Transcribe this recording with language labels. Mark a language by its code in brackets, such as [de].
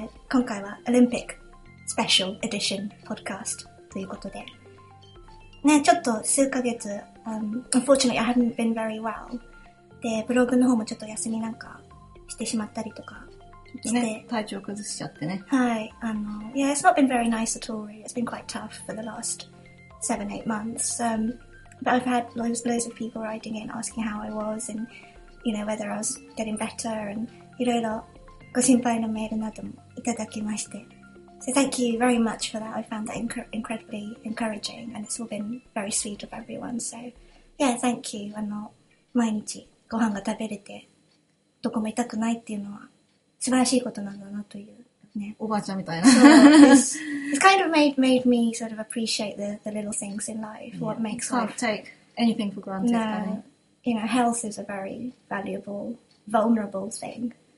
[ja] 今回は、オリンピック、スペシャルエディション、ポッドキャスト、ということで。ね、ちょっと数ヶ月、 [en] unfortunately I haven't been very well. [ja] で、ブログの方もちょっと休みなんかしてしまったりとかして。ね、体調崩しちゃってね。はい。 [en] Yeah, it's not been very nice at all. It's been quite tough for the last 7-8 months. But I've had loads of people writing in asking how I was and, you know, whether I was getting better and [ja] いろいろご心配のメールなどもいただきまして。 [en] So thank you very much for that. I found that incredibly encouraging and it's all been very sweet of everyone. So yeah, thank you. [ja] 毎日ご飯が食べれてどこも痛くないっていうのは素晴らしいことなんだなというね。おばあちゃんみたいな。 [en] So, it's kind of made me sort of appreciate the little things in life. What makes life. Can't take anything for granted. No. You know, health is a very valuable, vulnerable thing.